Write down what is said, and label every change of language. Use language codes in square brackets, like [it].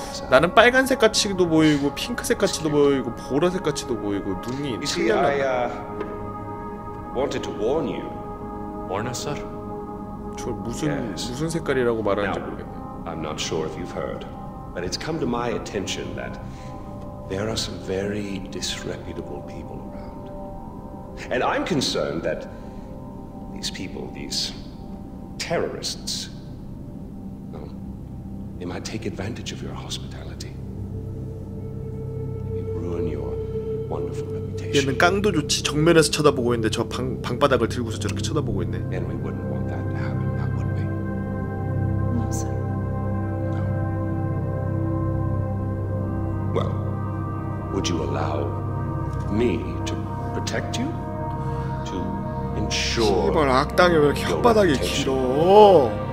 [ko] 나는 빨간색 같이도 보이고 핑크색 같이도 보이고 보라색 같이도 보이고 눈이 틀렸나? [en] Wanted to warn you. Warn us, sir? [ko] 저 무슨 yes. 무슨 색깔이라고 말하는지 모르겠네. [en] I'm not sure if you've heard, but it's come to my attention that there are some very disreputable people around, and I'm concerned that these people, these terrorists. They might take advantage of your hospitality. They ruin your wonderful reputation. [ko] 얘는 깡도 좋지. 정면에서 쳐다보고 있는데 저 방 방바닥을 들고서 저렇게 쳐다보고 있네. [en] And we wouldn't want that to happen, now, would we? No, sir. No. Well, would you allow me to protect you? To ensure. [ko] 제발 악당이 왜 이렇게 혓바닥이 길어?